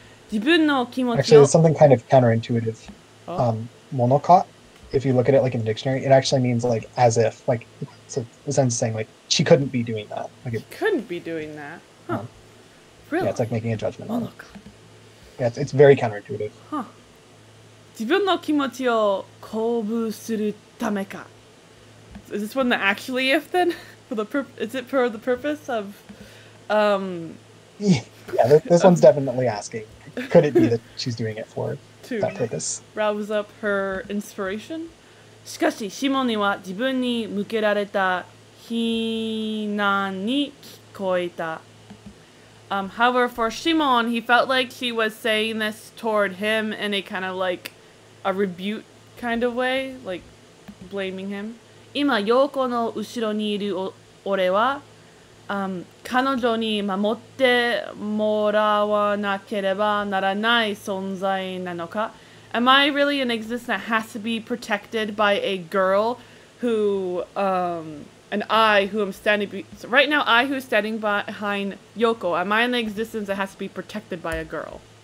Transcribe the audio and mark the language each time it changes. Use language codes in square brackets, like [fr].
[ja] Jibun no kimochi. [en] Actually, it's something kind of counterintuitive. Oh. Mono ka, if you look at it like in the dictionary, it actually means like as if, like it's a sense of saying like she couldn't be doing that. Like she couldn't be doing that. Huh. Really? Yeah, it's like making a judgment on it. Yeah, it's very counterintuitive. Huh. [ja] 自分 の気持ちを鼓舞するためか? [en] Is this one the actually if then? Is it for the purpose of... Yeah, this one's definitely asking. Could it be that she's doing it for that purpose? To rouse up her inspiration? [ja] しかし、シモニは自分に向けられた非難に聞こえた。 [en] However, for Shimon, he felt like she was saying this toward him in a kind of like a rebuke kind of way, like blaming him. [ja] 今、Yoko の後ろにいる俺は、彼女に守ってもらわなければならない存在なのか? [en] Am I really an existence that has to be protected by a girl who... I who is standing behind Yoko, am I in the existence that has to be protected by a girl?